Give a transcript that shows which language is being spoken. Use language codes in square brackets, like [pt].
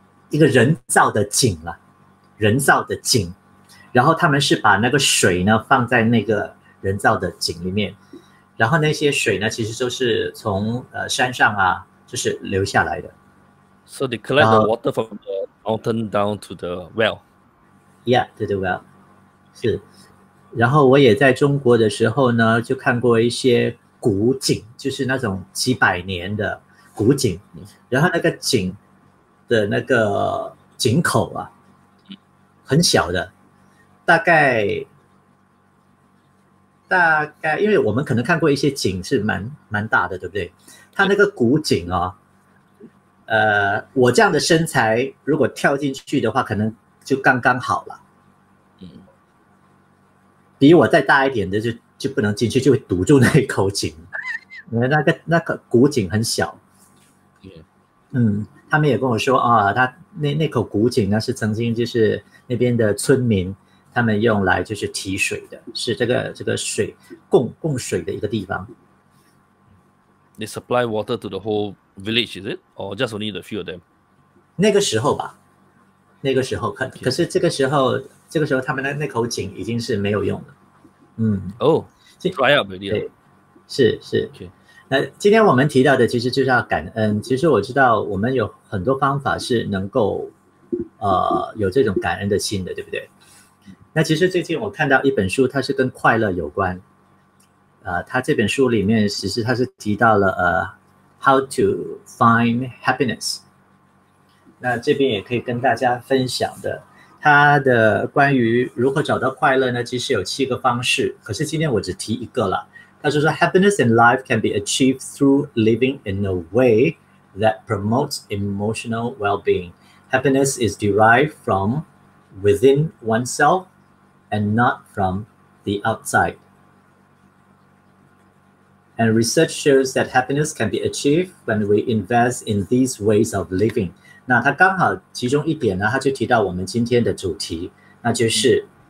[zh] 一个人造的井了，人造的井，然后他们是把那个水呢放在那个人造的井里面，然后那些水呢其实都是从山上啊就是流下来的。 [en] So they collect the water from the mountain down to the well. Yeah, to the well. [zh] 是，然后我也在中国的时候呢，就看过一些古井，就是那种几百年的。古井，然后那个井的那个井口啊，很小的，大概，因为我们可能看过一些井是蛮大的，对不对？它那个古井啊，我这样的身材如果跳进去的话，可能就刚刚好了。比我再大一点的就不能进去，就会堵住那一口井，那个古井很小。他们也跟我说啊，他那口古井呢是曾经就是那边的村民他们用来就是提水的，是这个水供水的一个地方。 [en] They supply water to the whole village, is it, or just only the few of them? [zh] 那个时候可、okay. 可是这个时候他们的那口井已经是没有用了。 [en] Dry up already. [zh] 是。 [en] Okay. [zh] 今天我们提到的其实就是要感恩。其实我知道我们有很多方法是能够有这种感恩的心的，对不对？那其实最近我看到一本书，它是跟快乐有关。它这本书里面其实它是提到了How to Find Happiness。那这边也可以跟大家分享的，它的关于如何找到快乐呢，其实有七个方式，可是今天我只提一个了。他说 [en] happiness in life can be achieved through living in a way that promotes emotional well-being. Happiness is derived from within oneself and not from the outside. And research shows that happiness can be achieved when we invest in these ways of living. [zh] 那他刚好其中一点呢，他就提到我们今天的主题，那就是